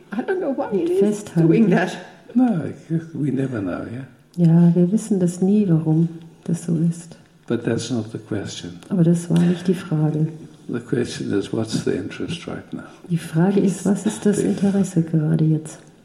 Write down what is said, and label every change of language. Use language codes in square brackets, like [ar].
[en] I don't know why it is doing that. No, we never know, yeah. [de] Ja, wir wissen das nie, warum das so ist. [en] But that's not the question. [de] Aber das war nicht die Frage. [en] The question is, what's the interest right now? [de] Die Frage ist, was ist das Interesse gerade jetzt?